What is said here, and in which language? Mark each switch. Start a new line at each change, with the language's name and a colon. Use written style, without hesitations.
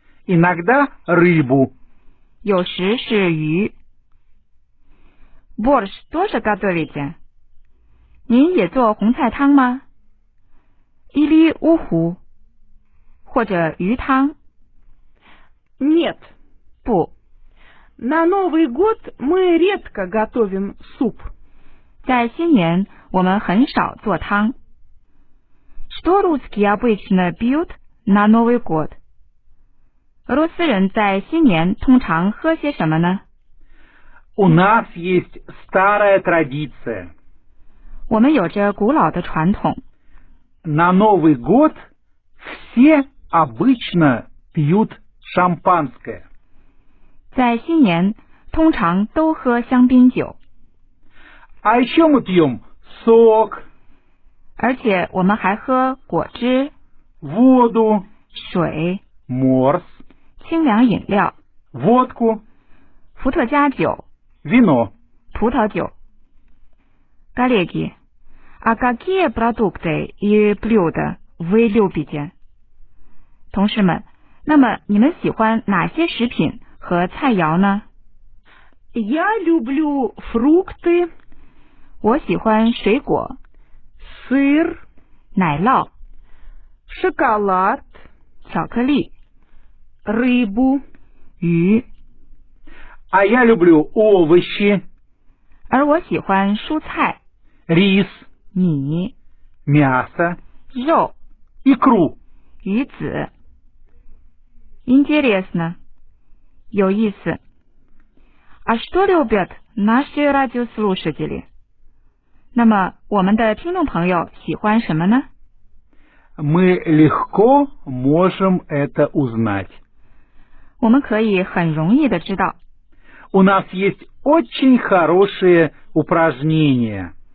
Russian: ，иногда рыбу,
Chinese: 有时是鱼。
Russian: Борщ тоже готовите?
Chinese: 您也做红菜汤吗 ？
Russian: Или уху,
Chinese: 或者鱼汤
Russian: ？Нет,
Chinese: 不。
Russian: На Новый год мы редко готовим суп.
Chinese: 在新年，我们很少做汤。
Russian: Что русские обычно пьют на Новый год.
Chinese: 如此人在新年通常喝些什么呢?
Russian: У нас есть старая традиция.
Chinese: 我们有着古老的传统。
Russian: На Новый год все обычно пьют шампанское.
Chinese: 在新年通常都喝香槟酒。
Russian: А еще мы пьем сок.
Chinese: 而且我们还喝果汁,
Russian: воду,
Chinese: 水,
Russian: морс,
Chinese: 清凉饮料,
Russian: водку,
Chinese: 伏特加酒,
Russian: вино,
Chinese: 葡萄酒.
Russian: Коллеги, а какие продукты и блюда вы любите?
Chinese: 同事们, 那么你们喜欢哪些食品和菜肴呢?
Russian: Я люблю фрукты.
Chinese: 我喜欢水果,
Russian: сыр,
Chinese: 奶酪,
Russian: шоколад,
Chinese: 巧克力,
Russian: рыбу,
Chinese: 鱼,
Russian: а я люблю овощи,
Chinese: 而我喜欢蔬菜,
Russian: рис,
Chinese: 米,
Russian: мясо,
Chinese: 肉,
Russian: икру,
Chinese: 鱼子.
Russian: Интересно,
Chinese: 有意思.
Russian: А что любят наши радиослушатели?
Chinese: 那么我们的听众朋友喜欢什么呢?
Russian: Мы легко можем это узнать.
Chinese: 我们可以很容易地知道.
Russian: У нас есть очень хорошие упражнения.